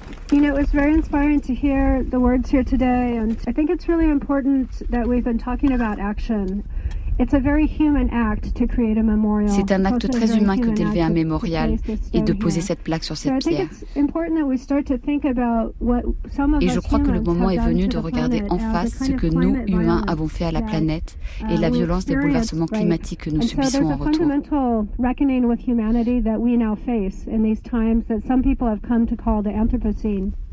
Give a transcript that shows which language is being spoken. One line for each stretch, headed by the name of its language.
English: You know, it was very inspiring to hear the words here today, and I think it's really important that we've been talking about action. It's a very human act to create a memorial.
French: C'est un acte très humain que d'élever un mémorial et de poser cette plaque sur cette pierre. Et je crois que le moment est venu de regarder en face ce que nous, humains, avons fait à la planète et la violence des bouleversements climatiques que nous subissons en retour.
English: With humanity that we now face in these times that some people have come to call the Anthropocene.